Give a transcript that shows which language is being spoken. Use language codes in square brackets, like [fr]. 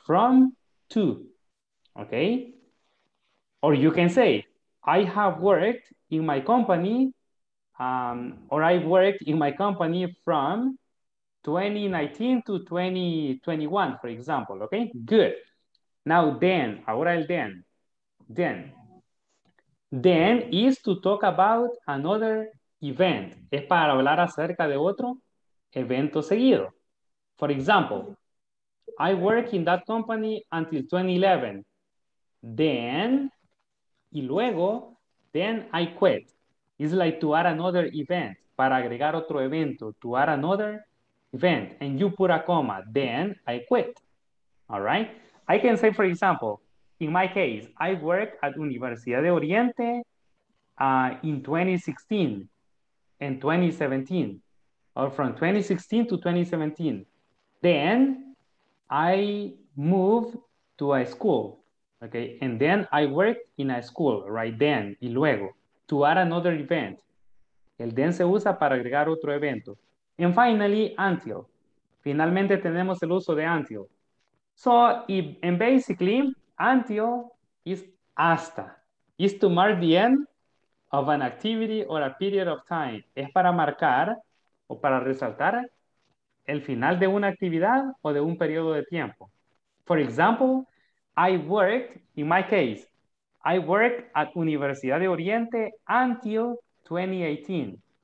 [en] From to. Okay? Or you can say, I have worked in my company or I've worked in my company from 2019 to 2021, for example, okay? Good. Now, then, [es] ahora el [en] then. Then. Then is to talk about another event. [es] Es para hablar acerca de otro evento seguido. [en] For example, I worked in that company until 2011. Then, [es] y luego, [en] then I quit. It's like to add another event, [es] para agregar otro evento, [en] to add another event, and you put a comma, then I quit, all right? I can say, for example, in my case, I work at Universidad de Oriente in 2016 and 2017, or from 2016 to 2017. Then I moved to a school, okay? And then I worked in a school, right? [es] Then, y luego. [en] To add another event. [es] El then se usa para agregar otro evento. [en] And finally, until. [es] Finalmente tenemos el uso de until. [en] So, and basically, until is hasta. It's to mark the end of an activity or a period of time. [es] Es para marcar o para resaltar el final de una actividad o de un periodo de tiempo. [en] For example, I worked, in my case, I worked at Universidad de Oriente until 2018.